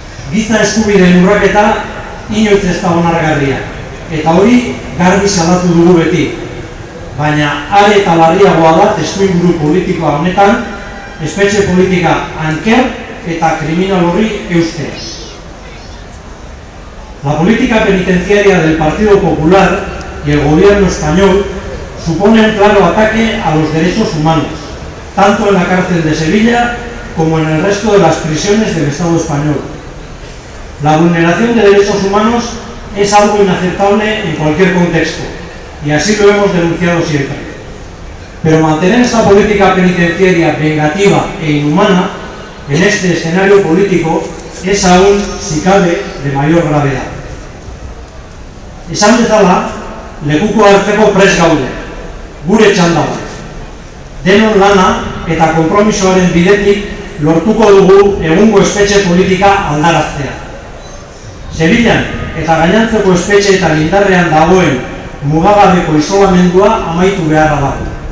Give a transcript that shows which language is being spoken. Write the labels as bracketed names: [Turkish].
[Basque] Giza eskubideen urraketa inoiz ez da onargarria, eta hori garbi salatu dugu beti. Baina are eta larriagoa da testuinguru politikoa honetan, espetxe politika anker eta kriminal horri eustea. [Spanish] La política penitenciaria del Partido Popular y el gobierno español supone un claro ataque a los derechos humanos, tanto en la cárcel de Sevilla como en el resto de las prisiones del Estado español. La vulneración de derechos humanos es algo inaceptable en cualquier contexto, y así lo hemos denunciado siempre. Pero mantener esta política penitenciaria vengativa e inhumana en este escenario político es aún, si cabe, de mayor gravedad. [Basque] Esan bezala, lekuko hartzeko prest gaude, gure txanda da. Denon lana eta konpromisoaren bidetik lortuko dugu egungo espetxe politika aldaraztea. Sevillan eta gainantzeko espetxe eta lindarrean dagoen mugagabeko isolamendua amaitu beharra dago.